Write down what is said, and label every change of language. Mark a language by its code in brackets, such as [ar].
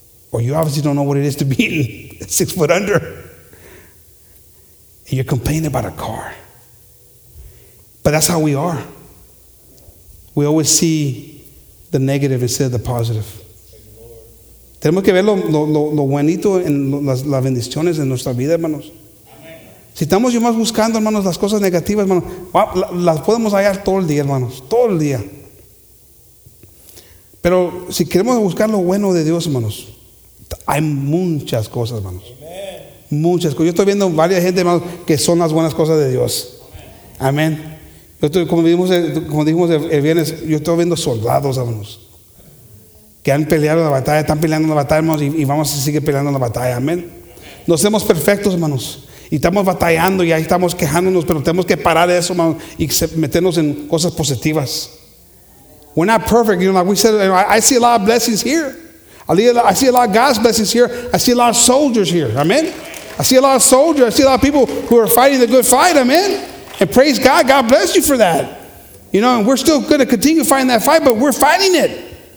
[en] Or you obviously don't know what it is to be 6 foot under. And you're complaining about a car. But that's how we are. We always see the negative instead of the positive. [es] Tenemos que ver lo bonito en las bendiciones en nuestra vida, hermanos. Si estamos yo más buscando, hermanos, las cosas negativas, hermanos, las podemos hallar todo el día, hermanos, todo el día. Pero si queremos buscar lo bueno de Dios, hermanos, hay muchas cosas, hermanos. Muchas cosas. Yo estoy viendo varias gente, hermanos, que son las buenas cosas de Dios. Amén. Como dijimos el viernes, yo estoy viendo soldados, hermanos. Que han peleado la batalla, están peleando la batalla, hermanos, y vamos a seguir peleando la batalla, amén. No somos perfectos, hermanos, y estamos batallando y ahí estamos quejándonos, pero tenemos que parar eso, hermanos, y meternos en cosas positivas. [en] We're not perfect, you know, like we said, I see a lot of blessings here. I see a lot of God's blessings here. I see a lot of soldiers here, amén. I see a lot of soldiers. I see a lot of people who are fighting the good fight, amén. And praise God, God bless you for that. You know, and we're still going to continue fighting that fight, but we're fighting it.